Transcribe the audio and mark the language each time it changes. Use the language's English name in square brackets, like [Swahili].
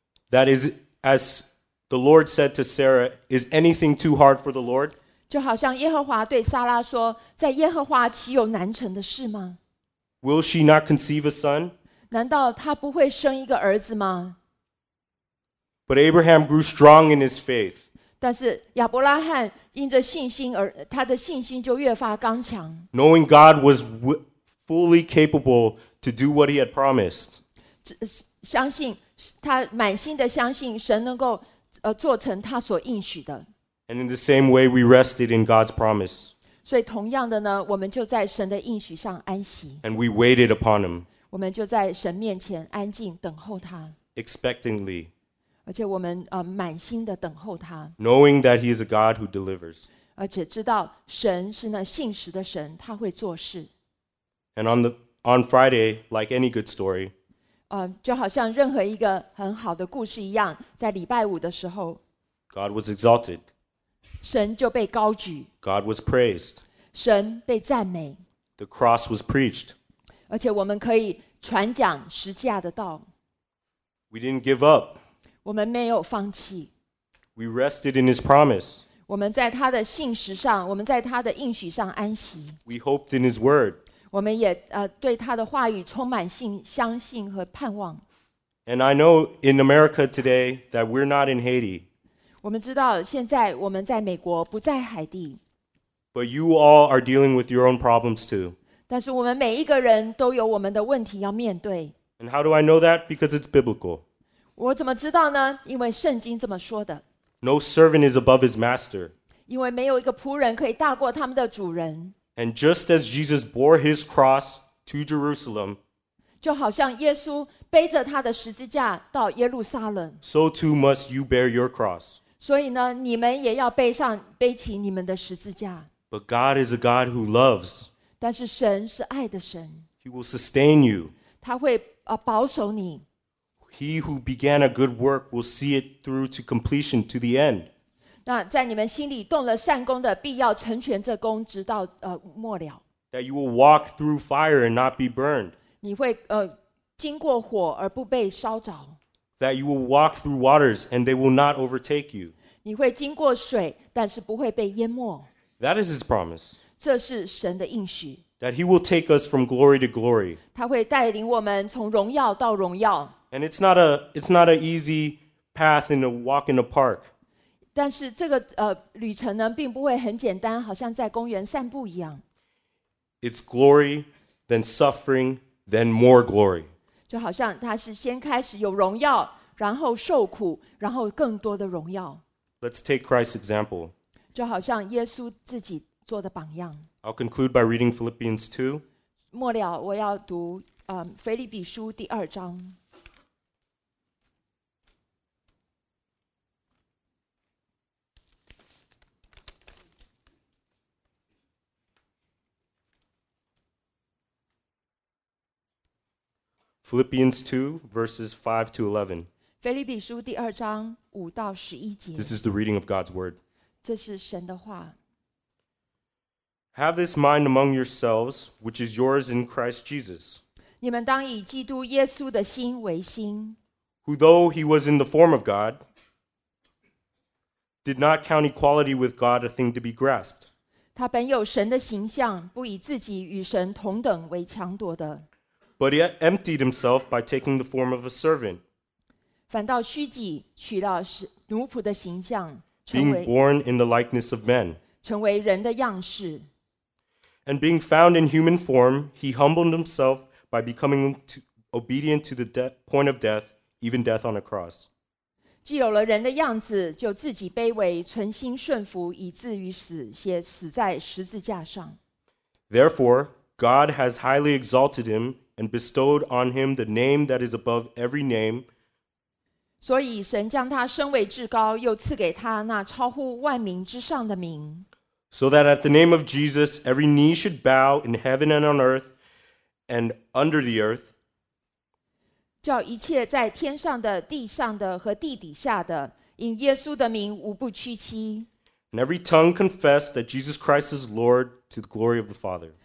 [English] That is, as the Lord said to Sarah, is anything too hard for the Lord? [Chinese] 就好像耶和华对撒拉说，在耶和华岂有难成的事吗？ [English] Will she not conceive a son? [Chinese] 难道她不会生一个儿子吗？ [English] But Abraham grew strong in his faith. [Chinese] 但是亚伯拉罕因着信心而他的信心就越发刚强。 [English] Knowing God was fully capable to do what he had promised. [Chinese] 相信他满心的相信神能够做成他所应许的。 [English] And in the same way we rested in God's promise. [Chinese] 所以同样的呢，我们就在神的应许上安息。 [English] And we waited upon him. [Chinese] 我们就在神面前安静等候他。 [English] Expectingly. [Chinese] 而且我们满心的等候他。 [English] Knowing that he is a God who delivers. [Chinese] 而且知道神是那信实的神，他会做事。 [English] And on Friday, like any good story. [Chinese] 就好像任何一个很好的故事一样，在礼拜五的时候。 [English] God was exalted. [Chinese] 神就被高举。 [English] God was praised. [Chinese] 神被赞美。 [English] The cross was preached. [Chinese] 而且我们可以传讲十字架的道。 [English] We didn't give up. [Chinese] 我们没有放弃。 [English] We rested in his promise. [Chinese] 我们在他的信实上，我们在他的应许上安息。 [English] We hoped in his word. [Chinese] 我们也对他的话语充满信相信和盼望。 [English] And I know in America today that we're not in Haiti. [Chinese] 我们知道现在我们在美国不在海地。 [English] But you all are dealing with your own problems too. [Chinese] 但是我们每一个人都有我们的问题要面对。 [English] And how do I know that? Because it's biblical. [Chinese] 我怎么知道呢？因为圣经这么说的。 [English] No servant is above his master. [Chinese] 因为没有一个仆人可以大过他们的主人。 [English] And just as Jesus bore his cross to Jerusalem. [Chinese] 就好像耶稣背着他的十字架到耶路撒冷。 [English] So too must you bear your cross. [Chinese] 所以呢，你们也要背上背起你们的十字架。 [English] But God is a God who loves. [Chinese] 但是神是爱的神。 [English] He will sustain you. [Chinese] 他会保守你。 [English] He who began a good work will see it through to completion to the end. [Chinese] 那在你们心里动了善功的，必要成全这功，直到末了。 [English] That you will walk through fire and not be burned. [Chinese] 你会经过火而不被烧着。 [English] That you will walk through waters and they will not overtake you. [Chinese] 你会经过水，但是不会被淹没。 [English] That is his promise. [Chinese] 这是神的应许。 [English] That he will take us from glory to glory. [Chinese] 他会带领我们从荣耀到荣耀。 [English] And it's not an easy path in a walk in a park. [Chinese] 但是这个旅程呢，并不会很简单，好像在公园散步一样。 [English] It's glory, then suffering. Then more glory. [Chinese] 就好像他是先开始有荣耀，然后受苦，然后更多的荣耀。 [English] Let's take Christ's example. [Chinese] 就好像耶稣自己做的榜样。 [English] I'll conclude by reading Philippians 2. [Chinese] 末了，我要读腓立比书第二章。 [English] Philippians 2, verses 5 to 11. [Chinese] 腓立比书第二章五到十一节。 [English] This is the reading of God's word. [Chinese] 这是神的话。 [English] Have this mind among yourselves, which is yours in Christ Jesus. [Chinese] 你们当以基督耶稣的心为心。 [English] Who though he was in the form of God, did not count equality with God a thing to be grasped. [Chinese] 他本有神的形象，不以自己与神同等为强夺的。 [English] But he emptied himself by taking the form of a servant. [Chinese] 反倒虚己，取了奴仆的形象。 [English] Being born in the likeness of men. [Chinese] 成为人的样式。 [English] And being found in human form, he humbled himself by becoming obedient to the point of death, even death on a cross. [Chinese] 既有了人的样子，就自己卑微，存心顺服，以至于死，且死在十字架上。 [English] Therefore, God has highly exalted him and bestowed on him the name that is above every name. [Chinese] 所以神将他升为至高，又赐给他那超乎万民之上的名。 [English] So that at the name of Jesus, every knee should bow in heaven and on earth and under the earth. [Chinese] 叫一切在天上的、地上的和地底下的，因耶稣的名无不屈膝。 [English] And every tongue confess that Jesus Christ is Lord to the glory of the Father.